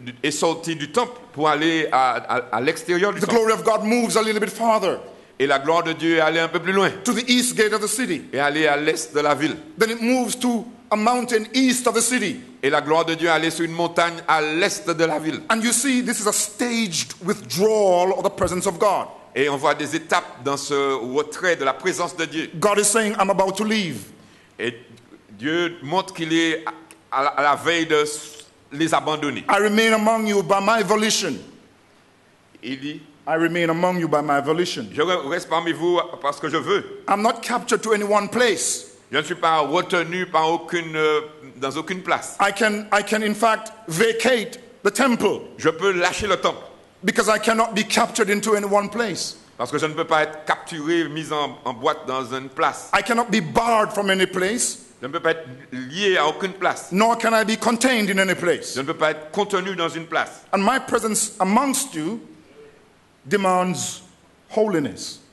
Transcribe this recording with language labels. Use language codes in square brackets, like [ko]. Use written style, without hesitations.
[fr] Est sortie du temple pour aller à l'extérieur du [en] temple. The glory of God moves a little bit farther. [fr] Et la gloire de Dieu est allée un peu plus loin. [en] To the east gate of the city. [fr] Et allée à l'est de la ville. [en] Then it moves to a mountain east of the city. [fr] Et la gloire de Dieu est allée sur une montagne à l'est de la ville. [en] And you see, this is a staged withdrawal of the presence of God. [fr] Et on voit des étapes dans ce retrait de la présence de Dieu. [en] God is saying, I'm about to leave. [fr] Et Dieu montre qu'il est à la veille de les abandonner. [en] I remain among you by my volition. [fr] Il dit. [en] I remain among you by my volition. [fr] Je reste parmi vous parce que je veux. [en] I'm not captured to any one place. [fr] Je ne suis pas retenu par aucune place. [en] I can in fact vacate the temple. [fr] Je peux lâcher le temple. [en] Because I cannot be captured into any one place. [fr] Parce que je ne peux pas être capturé, mis en boîte dans une place. [en] I cannot be barred from any place. [fr] Je ne peux pas être lié à aucune place. [en] Nor can I be contained in any place. [fr] Je ne peux pas être contenu dans une place. [en] And my presence amongst you demands holiness.